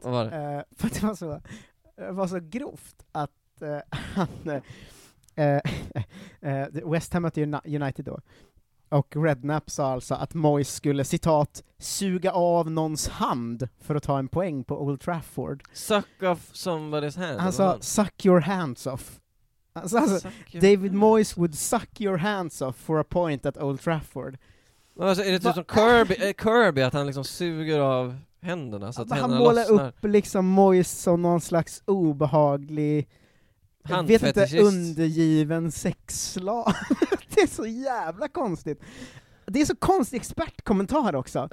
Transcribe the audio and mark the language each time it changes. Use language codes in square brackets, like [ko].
[sv] Vad var det? För att det var så grovt att han... West Ham mötte United då. Och Redknapp sa alltså att Moyes skulle, citat, suga av någons hand för att ta en poäng på Old Trafford. [en] Suck off somebody's hand. [sv] Han sa, [en] suck your hands off. [sv] Alltså, [en] David Moyes would suck your hands off for a point at Old Trafford. [sv] Alltså, är det typ som Kirby att han liksom suger av händerna så att han målar lossnar upp liksom Moyes som någon slags obehaglig handfetischist. Vet inte, undergiven sexslav. Det är så jävla konstigt. Det är så konstig expertkommentar också.